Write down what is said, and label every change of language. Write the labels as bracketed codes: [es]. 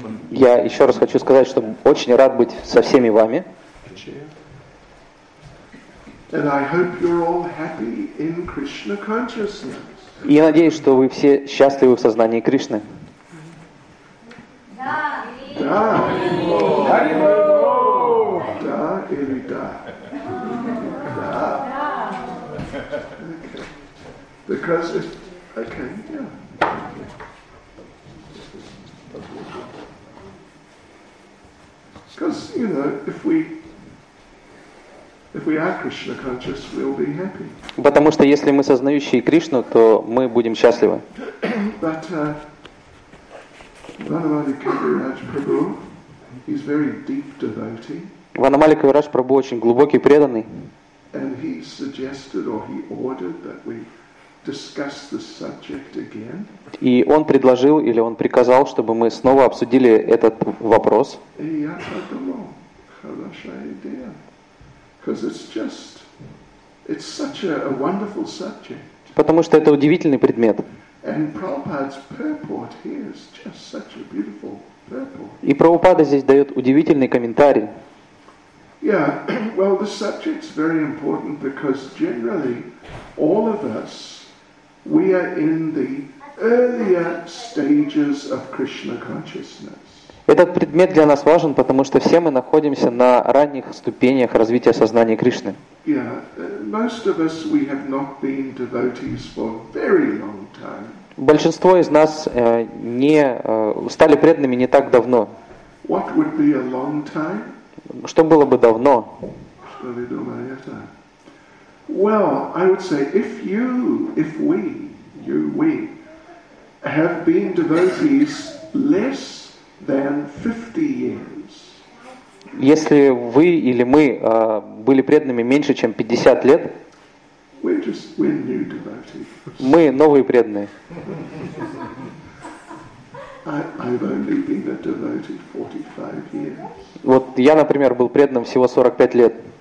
[ru] Я еще раз хочу сказать, что очень рад быть со всеми вами. [en] And I hope you're all happy in Krishna consciousness. [ru] Я надеюсь, что вы все счастливы в сознании Кришны. Да. Да. Да. Да или да. Да. Да. [en] Okay, yeah. Because, you know, if we are Krishna conscious, we'll be happy. [ru] Потому что если мы сознающие Кришну, то мы будем счастливы. [en] But Vanamali Kaviraj Prabhu, he's very deep devotee. [ru] Ванамали Кавирадж Прабху очень глубокий преданный. [en] And he suggested or he ordered that we discuss the subject again. [ru] И он предложил или он приказал, чтобы мы снова обсудили этот вопрос. И я подумал, хорошая идея. [en] Because it's such a wonderful subject. [ru] Потому что это удивительный предмет. [en] And Prabhupada's purport here is just such a beautiful purport. [ru] И Прабхупада здесь дает удивительный комментарий. [en] Yeah, well, the subject's very important because generally all of us we are in the earlier stages of Krishna consciousness. [ru] Этот предмет для нас важен, потому что все мы находимся на ранних ступенях развития сознания Кришны. [en] Most of us we have not been devotees for very long time. [ru] Большинство из нас не стали преданными не так давно. [en] What would be a long time? [ru] Что было бы давно? Что вы думаете? [en] Well, I would say if we have been devotees less than 50 years. [ru] Если вы или мы были преданными меньше чем 50 лет, [en] we're new devotees. [ru] Мы новые преданные. [en] I've only been a devotee 45 years. [ru] Вот я, например, был преданным всего 45 лет.